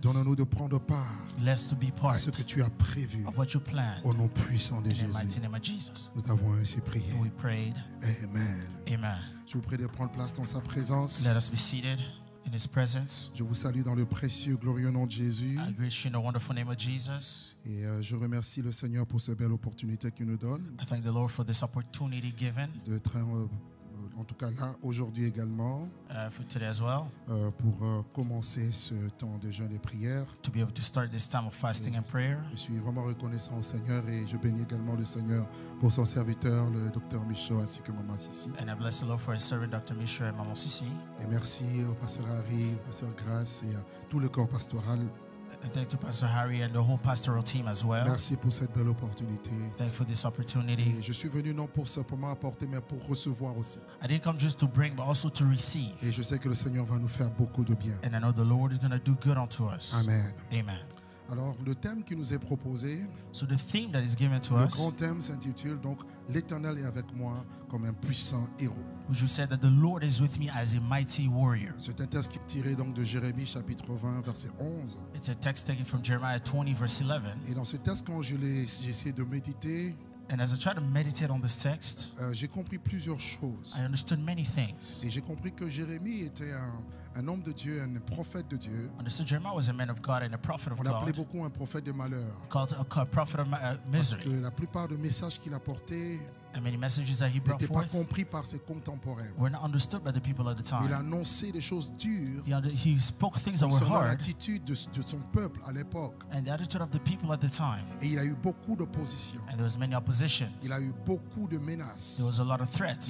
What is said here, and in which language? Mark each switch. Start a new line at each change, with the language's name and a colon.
French: Donne-nous de prendre part à ce que tu as prévu au nom puissant de Jésus. Nous avons ainsi prié.
English: We prayed. Amen. Amen.
French: Je vous prie de prendre place dans sa présence.
English: Let us be seated in his presence.
French: Je vous salue dans le précieux, glorieux nom de Jésus.
English: I greet you in the wonderful name of Jesus.
French: Et je remercie le Seigneur pour cette belle opportunité qu'il nous donne.
English: I thank the Lord for this opportunity given.
French: De très en tout cas là aujourd'hui également
English: for today as well.
French: Pour commencer ce temps de jeûne et prière
English: to be able to start this time of fasting and prayer.
French: Je suis vraiment reconnaissant au Seigneur et je bénis également le Seigneur pour son serviteur le docteur Michaud ainsi que maman Sissi.
English: And I bless the Lord for his servant Dr. Michaud and maman Sissi.
French: Et merci au pasteur Harry, au pasteur Grace et à tout le corps pastoral.
English: And thank you to Pastor Harry and the whole pastoral team as well.
French: Merci pour cette belle opportunité.
English: Thank you for this opportunity.
French: Et je suis venu non pour simplement apporter, mais pour recevoir aussi.
English: I didn't come just to bring, but also to receive.
French: Et je sais que le Seigneur va nous faire beaucoup de bien.
English: And I know the Lord is going to do good unto us. Amen. Amen.
French: Alors, le thème qui nous est proposé,
English: so the theme that is given to
French: le
English: us,
French: grand thème s'intitule donc l'Éternel est avec moi comme un puissant héros.
English: Which you said that the Lord is with me as a mighty warrior.
French: C'est un texte qui est tiré donc de Jérémie chapitre 20 verset 11.
English: It's a text taken from Jeremiah 20 verse 11.
French: Et dans ce texte, quand j'essaie de méditer,
English: and as I try to meditate on this text,
French: j'ai compris plusieurs choses.
English: I understood many things.
French: Et j'ai compris que Jérémie était un homme de Dieu, un prophète de Dieu.
English: I understood Jeremiah was a man of God and a prophet of God.
French: On l'appelait beaucoup un prophète de malheur.
English: Called a prophet of misery.
French: Parce que la plupart des messages qu'il apportait
English: and many messages that he brought forth
French: pas compris par ses contemporains.
English: Were not understood by the people at the time.
French: Il annonçait des choses dures.
English: He spoke things that were hard.
French: L'attitude de son peuple à l'époque.
English: And the attitude of the people at the time.
French: Et il a eu beaucoup d'opposition.
English: And there was many oppositions.
French: Il a eu beaucoup de menaces.
English: There was a lot of threats.